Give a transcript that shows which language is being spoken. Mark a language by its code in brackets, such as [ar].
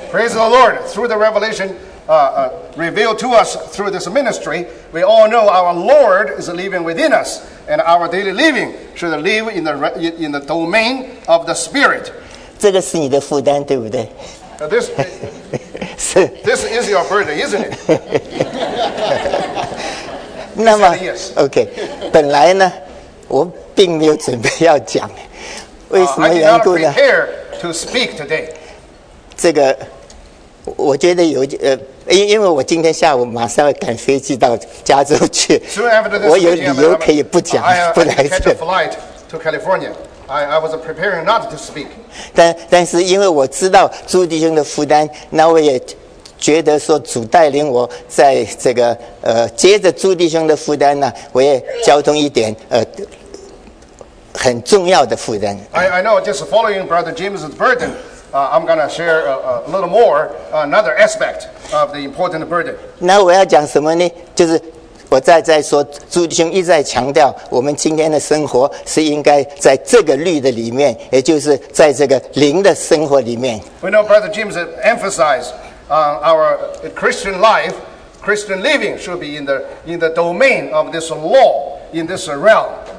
[en] Praise the Lord, through the revelation revealed to us through this ministry, we all know our Lord is living within us, and our daily living should live in the domain of the Spirit. [zh] 这个是你的负担，对不对？ [en] This is your burden, isn't it? [zh] 那么 OK, 本来呢我并没有准备要讲，为什么缘故呢？ [en] I did not prepare to speak today. [zh] 这个我觉得有因为我今天下午马上要赶飞机到加州去，我有理由可以不讲，不来这。 [en] I had a flight to California. I was preparing not to speak. [zh] 但是因为我知道朱弟兄的负担，那我也觉得说主带领我在这个接着朱弟兄的负担呢，我也交通一点很重要的负担。 [en] I know just following Brother James' burden, I'm going to share a little more, another aspect of the important burden. [zh] 那我要讲什么呢？就是我再说，朱弟兄一再强调，我们今天的生活是应该在这个律的里面，也就是在这个灵的生活里面。 [en] We know Brother James emphasized our Christian life, Christian living should be in the domain of this law, in this realm.